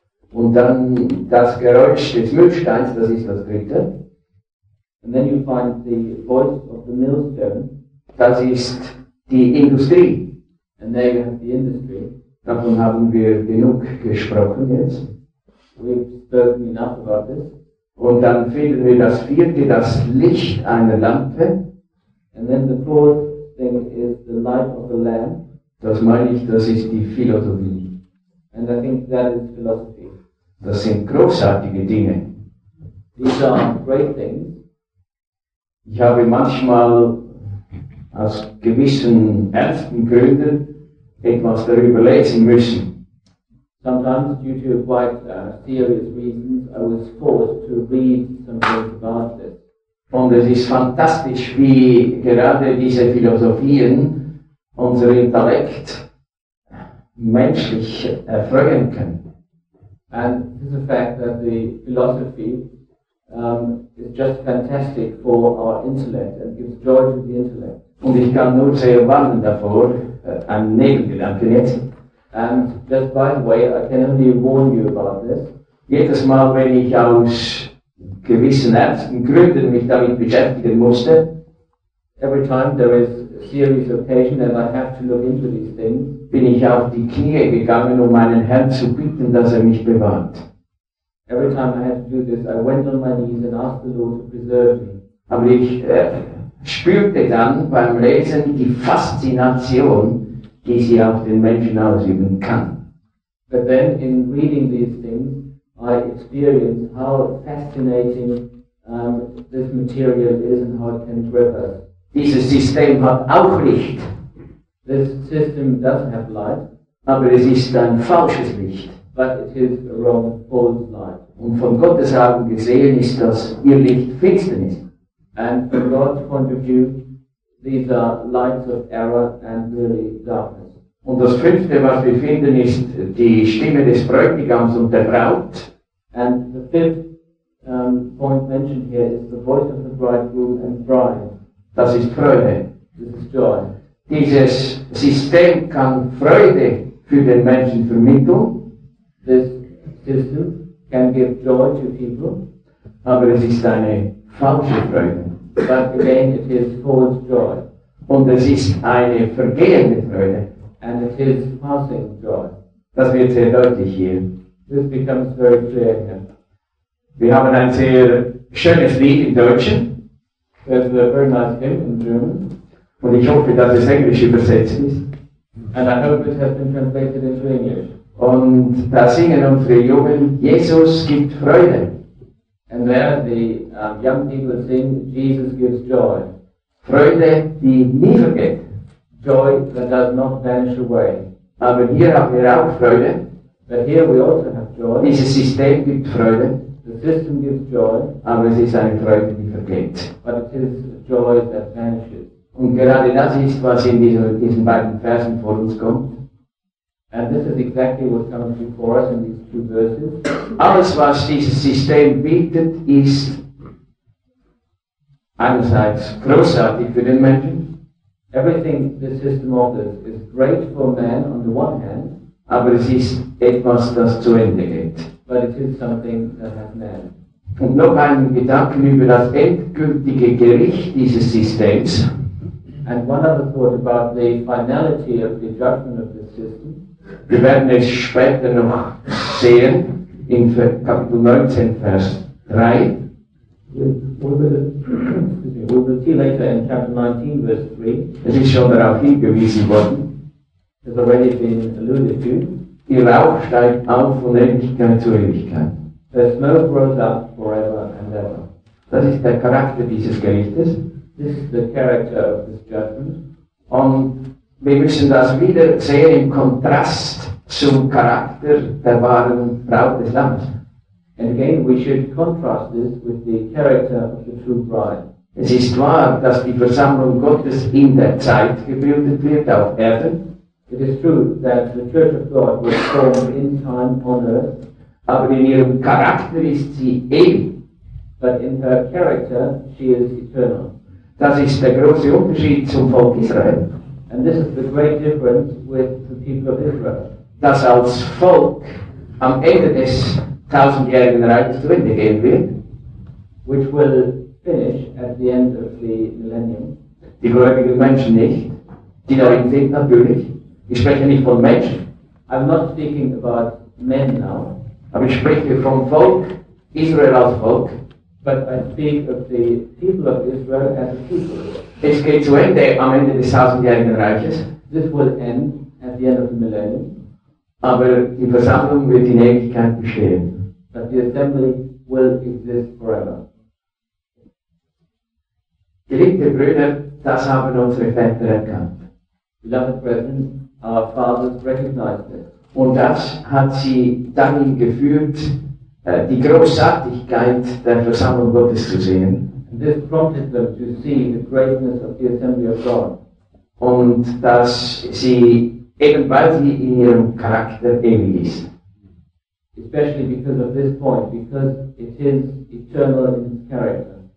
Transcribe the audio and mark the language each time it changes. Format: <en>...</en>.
<de>Und dann das Geräusch des Mühlsteins, das ist das dritte.</de> <en>And then you find the voice of the millstone.</en> <de>Das ist die Industrie.</de> <en>And there you have the industry.</en> <de>Davon haben wir genug gesprochen jetzt.</de> <en>We've spoken enough about this.</en> <de>Und dann finden wir das vierte, das Licht einer Lampe.</de> <en>And then the fourth thing is the light of the lamp.</en> <de>Das meine ich, das ist die Philosophie.</de> <en>And I think that is philosophy.</en> <de>Das sind großartige Dinge.</de> <en>These are great things.</en> <de>Ich habe manchmal aus gewissen ernsten Gründen etwas darüber lesen müssen.</de> <en>Sometimes due to quite serious reasons, I was forced to read something about this.</en> <de>Und es ist fantastisch, wie gerade diese Philosophien unser Intellekt menschlich erfreuen können.</de> <en>And this is the fact that the philosophy is just fantastic for our intellect and gives joy to the intellect.</en> <de>Und ich kann nur sehr warnen davor, ein Nebengedanke jetzt.</de> <en>And just by the way, I can only warn you about this.</en> <de>Jedes Mal, wenn ich aus gewissen ernsten Gründen mich damit beschäftigen musste,</de> <en>every time there is a serious occasion and I have to look into these things,</en> <de>bin ich auf die Knie gegangen, um meinen Herrn zu bitten, dass er mich bewahrt.</de> <en>Every time I had to do this, I went on my knees and asked the Lord to preserve me.</en> <de>Aber ich spürte dann beim Lesen die Faszination, die sie auf den Menschen ausüben kann.</de> <en>But then, in reading these things, I experienced how fascinating this material is and how it can grip us.</en> <de>Dieses System hat auch Licht.</de> <en>This system does have light.</en> <de>Aber es ist ein falsches Licht.</de> <en>But it is a wrong, false light.</en> <de>Und von Gottes Augen gesehen ist das ihr Licht Finsternis.</de> <en>And from God's point of view, these are lights of error and really darkness.</en> <de>Und das fünfte, was wir finden, ist die Stimme des Bräutigams und der Braut.</de> <en>And the fifth point mentioned here is the voice of the bridegroom and bride.</en> <de>Das ist Freude.</de> <en>This is joy.</en> <de>Dieses System kann Freude für den Menschen vermitteln.</de> <en>This system can give joy to people.</en> <de>Aber es ist eine falsche Freude.</de> <en>But again, it is false joy.</en> <de>Und es ist eine vergehende Freude.</de> <en>and it is passing joy.</en> <de>Das wird sehr deutlich hier.</de> <en>This becomes very clear here.</en> <de>Wir haben ein sehr schönes Lied in Deutschen.</de> <en>There's a very nice hymn in German.</en> <de>Und ich hoffe, dass es Englisch übersetzt ist.</de> <en>And I hope it has been translated into English.</en> <de>Und da singen unsere Jungen, Jesus gibt Freude.</de> <en>And there the young people sing, Jesus gives joy.</en> <de>Freude, die nie vergeht.</de> <en>Joy that does not vanish away.</en> <de>Aber hier haben wir auch Freude.</de> <en>But here we also have joy.</en> <de>Dieses System gibt Freude.</de> <en>The system gives joy.</en> <de>Aber es ist eine Freude, die vergeht.</de> <en>But it is joy that vanishes.</en> <de>Und gerade das ist, was in diesen beiden Versen vor uns kommt.</de> <en>And this is exactly what comes before us in these two verses.</en> <de>Alles, was dieses System bietet, ist einerseits großartig für den Menschen.</de> <en>Everything the system offers is great for man on the one hand.</en> <de>Aber es ist etwas, das zu Ende geht.</de> <en>But it is something that has an end.</en> <de>Und noch einen Gedanken über das endgültige Gericht dieses Systems.</de> <en>And one other thought about the finality of the judgment of the system.</en> <de>Wir werden es später noch sehen in Kapitel 19, Vers 3.</de> <en>We'll see later in chapter 19, verse 3.</en> <de>Es ist schon darauf hingewiesen worden.</de> <en>It has already been alluded to.</en> <de>Ihr Rauch steigt auf von Ewigkeit zu Ewigkeit.</de> <en>The smoke rose up forever and ever.</en> <de>Das ist der Charakter dieses Gerichtes.</de> <en>This is the character of this judgment.</en> <de>Und wir müssen das wieder sehen im Kontrast zum Charakter der wahren Braut des Lammes.</de> <en>And again, we should contrast this with the character of the true bride.</en> <de>Es ist wahr, dass die Versammlung Gottes in der Zeit gebildet wird auf Erden.</de> <en>It is true that the Church of God was formed in time on earth.</en> <de>Aber in ihrem Charakter ist sie ewig.</de> <en>But in her character, she is eternal.</en> <de>Das ist der große Unterschied zum Volk Israel.</de> <en>And this is the great difference with the people of Israel.</en> <de>Das als Volk am Ende des tausendjährigen Reiches zu Ende gehen wird.</de> <en>Which will finish at the end of the millennium.</en> <de>Die gläubigen Menschen nicht. Die darin sind natürlich. Ich spreche nicht von Menschen.</de> <en>I'm not speaking about men now.</en> <de>Aber ich spreche vom Volk, Israel als Volk.</de> <en>But I speak of the people of Israel as a people.</en> <de>Es geht zu Ende am Ende des tausendjährigen Reiches.</de> <en>This will end at the end of the millennium.</en> <de>Aber die Versammlung wird in Ewigkeit bestehen.</de> <en>But the assembly will exist forever.</en> <de>Geliebte Brüder, das haben unsere Väter erkannt.</de> <en>Beloved brethren, our fathers recognized it.</en> <de>Und das hat sie dahin geführt, die Großartigkeit der Versammlung Gottes zu sehen.</de> <en>And this prompted them to see the greatness of the assembly of God.</en> <de>Und dass sie, eben weil sie in ihrem Charakter ewig ist.</de> <en>Especially because of this point, because it is eternal in its character.</en>